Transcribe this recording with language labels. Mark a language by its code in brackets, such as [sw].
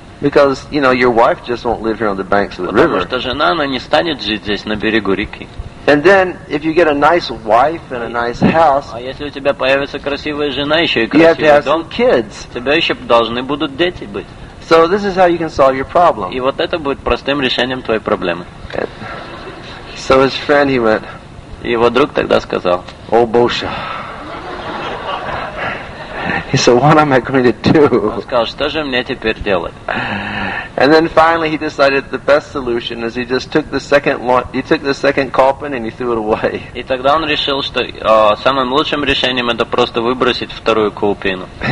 [en] Because you know your wife just won't live here on the banks of the river. [ru] Потому что жена, она не станет жить здесь на берегу реки. [en] And then, if you get a nice wife and a nice house, [ru] а если у тебя появится красивая жена еще и красивый дом, [en] you have to have some kids. [ru] Тебе еще должны будут дети быть. [en] So this is how you can solve your problem. [ru] И вот это будет простым решением твоей проблемы. [en] So his friend, he went. [ru] Его друг тогда сказал. Oh, Боже. [en] He said, "What am I going to do?" [ru] Он сказал, что же мне теперь делать? [en] And then finally, he decided the best solution is he just took the second one. He took the second coffin and he threw it away. [ru] И тогда он решил, что самым лучшим решением это просто выбросить вторую коупину.